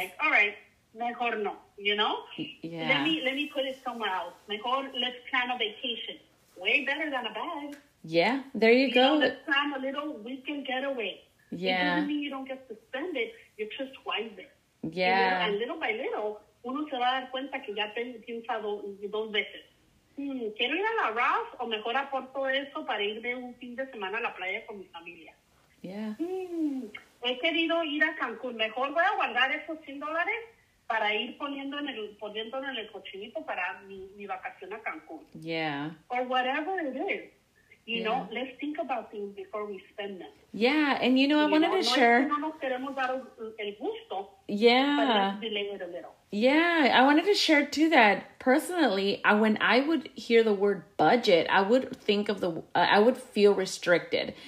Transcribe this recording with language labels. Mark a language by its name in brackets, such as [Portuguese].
[English] Like, all right, [Spanish] mejor no, [English] you know? Yeah. Let me put it somewhere else. [Spanish] Mejor, [English] let's plan a vacation. Way better than a bag. Yeah, there you go. Let's plan a little weekend getaway. Yeah. It doesn't mean you don't get to spend it. You're just wiser. Yeah. And little by little, [Spanish] uno se va a dar cuenta que ya piensa dos veces. ¿Quiero ir a la RAS o mejor aporto eso para irme un fin de semana a la playa con mi familia? [English] Yeah. [Spanish] He querido ir a Cancún. Mejor voy a guardar esos $100 para ir poniéndolo en el cochinito para mi vacación a Cancún. [English] Yeah. Or whatever it is. You know, let's think about things before we spend them. Yeah, and you know, I wanted to share. [Spanish] No nos queremos dar el gusto. [English] Yeah. But let's delay it a little. Yeah, I wanted to share too that personally, when I would hear the word budget, I would think of I would feel restricted.